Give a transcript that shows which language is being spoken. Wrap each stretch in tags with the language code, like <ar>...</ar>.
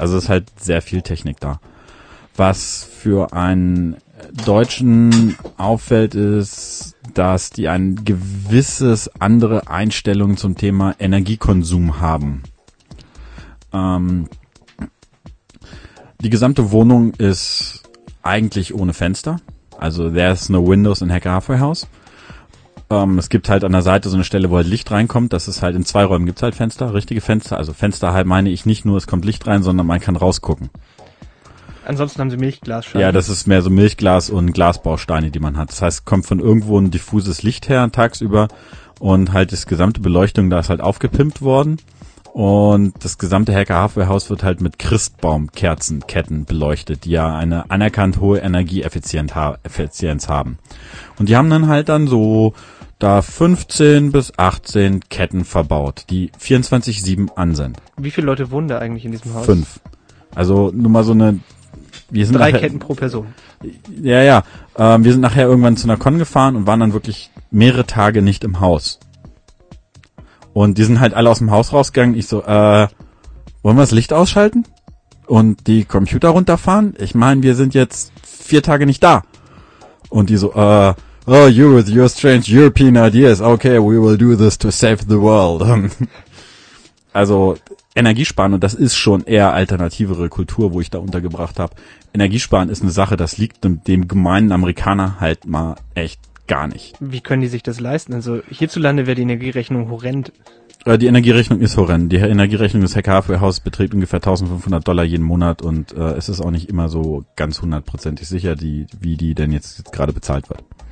<de>Also es ist halt sehr viel Technik da. Was für einen Deutschen auffällt, ist, dass die ein gewisses andere Einstellung zum Thema Energiekonsum haben. Die gesamte Wohnung ist eigentlich ohne Fenster. Also</de> <en>there's no windows in Hacker Halfway House.</en> <de>Es gibt halt an der Seite so eine Stelle, wo halt Licht reinkommt. Das ist halt in zwei Räumen gibt's halt Fenster, richtige Fenster. Also Fenster halt meine ich nicht nur, es kommt Licht rein, sondern man kann rausgucken. Ansonsten haben sie Milchglas. Ja, das ist mehr so Milchglas und Glasbausteine, die man hat. Das heißt, kommt von irgendwo ein diffuses Licht her tagsüber und halt die gesamte Beleuchtung, da ist halt aufgepimpt worden. Und das gesamte Hacker-Hardware-Haus wird halt mit Christbaumkerzenketten beleuchtet, die ja eine anerkannt hohe Energieeffizienz haben. Und die haben dann halt dann so da 15 bis 18 Ketten verbaut, die 24/7 an sind. Wie viele Leute wohnen da eigentlich in diesem Haus? 5. Also nur mal so eine... Wir sind 3 Ketten pro Person. Ja, ja. Wir sind nachher irgendwann zu einer Con gefahren und waren dann wirklich mehrere Tage nicht im Haus. Und die sind halt alle aus dem Haus rausgegangen. Ich so, wollen wir das Licht ausschalten? Und die Computer runterfahren? Ich meine, wir sind jetzt 4 Tage nicht da. Und die so,</de> <en>oh, you with your strange European ideas. Okay, we will do this to save the world.</en> <de>Also, Energiesparen, und das ist schon eher alternativere Kultur, wo ich da untergebracht habe. Energiesparen ist eine Sache, das liegt dem gemeinen Amerikaner halt mal echt gar nicht. Wie können die sich das leisten? Also hierzulande wäre die Energierechnung horrend. Die Energierechnung ist horrend. Die Energierechnung des Hack-Halfway-Haus beträgt ungefähr $1,500 jeden Monat und es ist auch nicht immer so ganz hundertprozentig sicher, wie die denn jetzt gerade bezahlt wird.</de>